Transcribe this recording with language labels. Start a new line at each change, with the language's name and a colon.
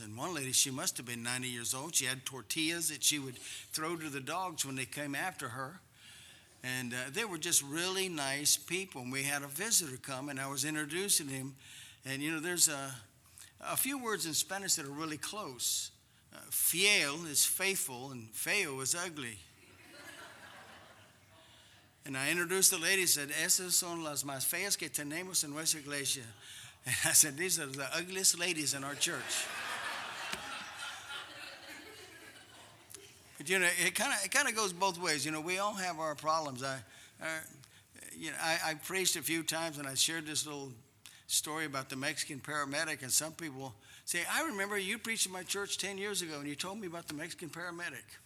English: And one lady, she must have been 90 years old. She had tortillas that she would throw to the dogs when they came after her. And they were just really nice people. And we had a visitor come, and I was introducing him. And, you know, there's a few words in Spanish that are really close. Fiel is faithful, and feo is ugly. And I introduced the lady, said,
Spanish: esas son las más feas que tenemos en nuestra iglesia.
English: And I said, these are the ugliest ladies in our church. But, you know, it kind of goes both ways. You know, we all have our problems. I preached a few times, and I shared this little story about the Mexican paramedic, and some people say, I remember you preached at my church 10 years ago, and you told me about the Mexican paramedic.